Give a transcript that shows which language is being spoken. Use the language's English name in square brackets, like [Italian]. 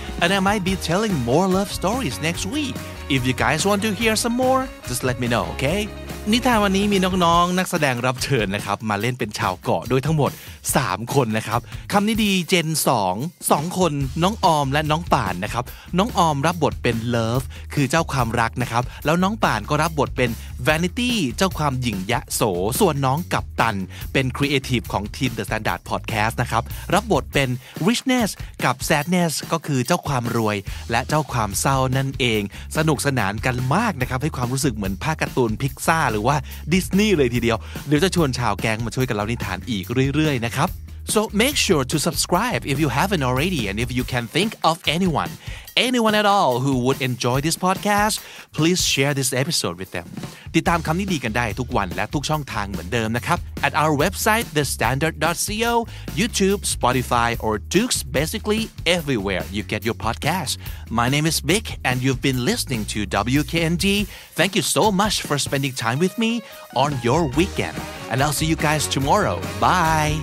[English] And I might be telling more love stories next week. If you guys want to hear some more, just let me know, okay? [Thai] นิทานวันนี้มีน้องๆนักแสดงรับเชิญนะครับมาเล่นเป็นชาวเกาะโดยทั้งหมด3คนนะครับคำนี้ดีเจน2 2คนน้องออมและน้องป่านนะครับน้องออมรับบทเป็นเลิฟคือเจ้าความรักนะครับแล้วน้องป่านก็รับบทเป็น Vanity เจ้าความหญิงยะโสส่วนน้องกัปตันเป็นครีเอทีฟของทีม The Standard Podcast นะครับรับบทเป็น Richness กับ Sadness ก็คือเจ้าความรวยและเจ้าความเศร้านั่นเองสนุกสนานกันมากนะครับให้ความรู้สึกเหมือนภาพการ์ตูนพิกซ่าหรือว่าดิสนีย์เลยทีเดียวเดี๋ยวจะชวนชาวแก๊งมาช่วยกันเล่านิทานอีกเรื่อยๆนะครับ [English] So make sure to subscribe if you haven't already and if you can think of anyone at all who would enjoy this podcast please share this episode with them [Thai] ติดตามคำนี้ดีกันได้ทุกวันและทุกช่องทางเหมือนเดิมนะครับ [English] at our website thestandard.co YouTube Spotify or Dukes basically everywhere you get your podcast my name is Vic and you've been listening to WKND thank you so much for spending time with me on your weekend and I'll see you guys tomorrow bye